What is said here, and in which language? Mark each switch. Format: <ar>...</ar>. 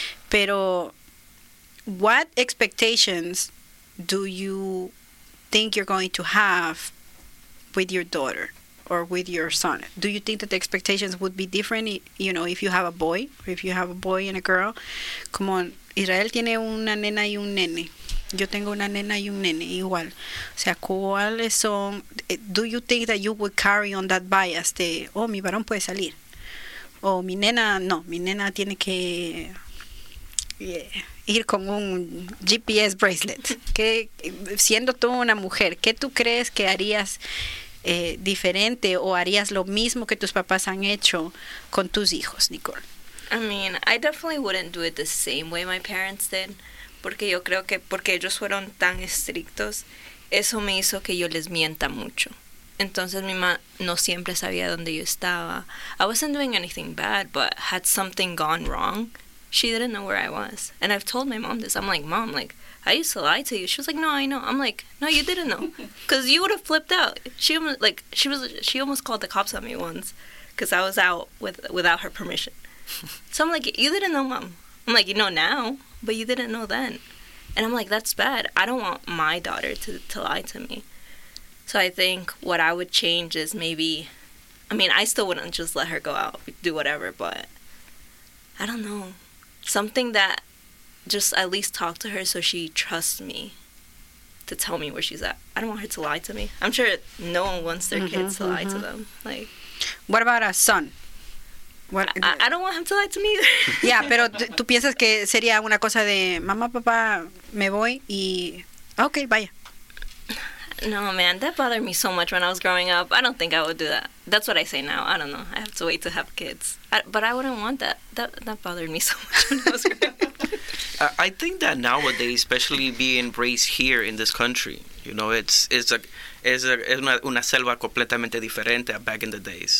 <en>Pero, what expectations do you think you're going to have with your daughter or with your son? Do you think that the expectations would be different, you know, if you have a boy, or if you have a boy and a girl?</en> <es>Come on, Israel tiene una nena y un nene. Yo tengo una nena y un nene, igual. O sea, ¿cuáles son?</es> <en>Do you think that you would carry on that bias de, oh, mi varón puede salir?</en> <es>O mi nena, no, mi nena tiene que ir con un GPS bracelet. ¿Qué, siendo tú una mujer, qué tú crees que harías diferente o harías lo mismo que tus papás han hecho con tus hijos, Nicole?</es> <en>I mean, I definitely wouldn't do it the same way my parents did.</en> <es>Porque yo creo que porque ellos fueron tan estrictos, eso me hizo que yo les mienta mucho. Entonces mi mamá no siempre sabía dónde yo estaba.</es> <en>I wasn't doing anything bad, but had something gone wrong, she didn't know where I was. And I've told my mom this. I'm like, Mom, like, I used to lie to you. She was like, no, I know. I'm like, no, you didn't know. Because you would have flipped out. She almost called the cops on me once because I was out without her permission. So I'm like, you didn't know, Mom. I'm like, you know now, but you didn't know then. And I'm like, that's bad. I don't want my daughter to lie to me. So I think what I would change is maybe, I mean, I still wouldn't just let her go out, do whatever, but I don't know. Something that just at least talk to her so she trusts me to tell me where she's at. I don't want her to lie to me. I'm sure no one wants their kids to lie to them. Like, what about a son? I don't want him to lie to me either.</en> <es>Yeah, pero tú piensas que sería una cosa de mamá, papá, me voy y okay, vaya.</es> <en>No, man, that bothered me so much when I was growing up. I don't think I would do that. That's what I say now. I don't know. I have to wait to have kids. But I wouldn't want that. That bothered me so much when I was growing up. I think that nowadays, especially being raised here in this country, you know, it's una selva completamente diferente back in the days.</en>